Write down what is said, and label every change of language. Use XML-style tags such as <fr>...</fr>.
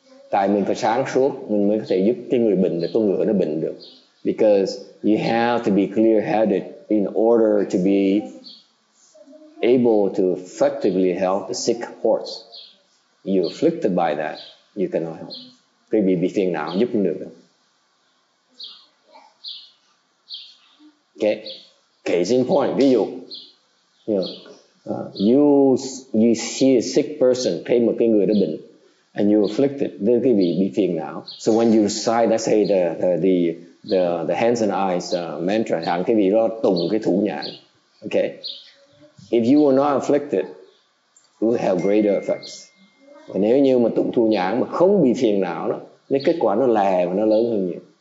<vi>Tại mình phải sáng suốt, mình mới có thể giúp cái người bệnh để con ngựa nó bệnh được.</vi> <en>Because you have to be clear-headed in order to be able to effectively help the sick horse. You're afflicted by that, you cannot help.</en> <vi>Quý vị bị phiền não, giúp không được.</vi> <en>Okay. Case in point, ví dụ. You know, you see a sick person,</en> <vi>thấy một cái người đó bệnh.</vi> <en>And you're afflicted, then quý vị be feeling now. So when you recite, let's say the hands and eyes mantra,</en> <vi>hàng quý vị đó tụng cái thủ nhãn,</vi> <en>okay? If you were not afflicted, it will have greater effects.</en> <vi>Và nếu như mà tụng thủ nhãn mà không bị phiền não đó, nên kết quả nó lè và nó lớn hơn nhiều.</vi>